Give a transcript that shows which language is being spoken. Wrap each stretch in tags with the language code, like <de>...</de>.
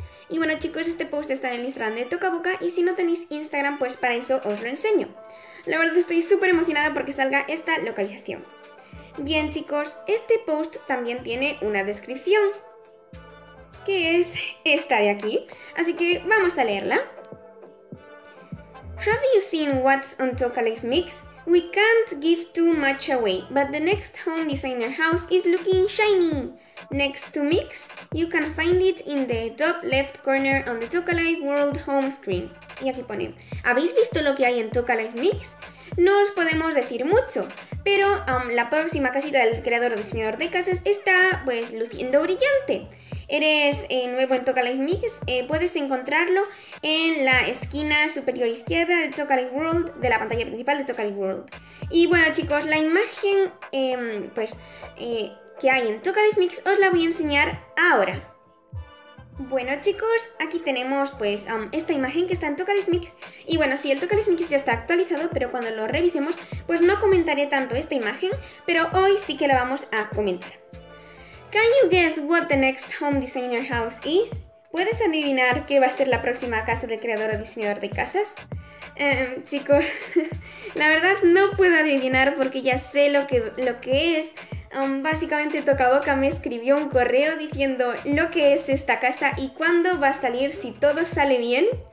<es>Y bueno, chicos, este post está en el Instagram de Toca Boca, y si no tenéis Instagram, pues para eso os lo enseño. La verdad estoy súper emocionada porque salga esta localización. Bien, chicos, este post también tiene una descripción, que es esta de aquí. Así que vamos a leerla.</es> <en>Have you seen what's on Toca Live Mix? We can't give too much away, but the next home designer house is looking shiny. Next to Mix, you can find it in the top left corner on the Toca Live World home screen.</en> <es>Y aquí pone, ¿habéis visto lo que hay en Toca Live Mix? No os podemos decir mucho, pero la próxima casita del creador o diseñador de casas está pues luciendo brillante. Eres nuevo en Toca Live Mix, puedes encontrarlo en la esquina superior izquierda de Toca Live World, de la pantalla principal de Toca Live World. Y bueno, chicos, la imagen que hay en Toca Live Mix os la voy a enseñar ahora. Bueno, chicos, aquí tenemos pues esta imagen que está en Toca Live Mix. Y bueno, sí, el Toca Live Mix ya está actualizado, pero cuando lo revisemos, pues no comentaré tanto esta imagen, pero hoy sí que la vamos a comentar.</es> <en>Can you guess what the next home designer house is?</en> <es>¿Puedes adivinar qué va a ser la próxima casa del creador o diseñador de casas? Chicos, la verdad no puedo adivinar porque ya sé lo que es. Básicamente Toca Boca me escribió un correo diciendo lo que es esta casa y cuándo va a salir si todo sale bien.</es>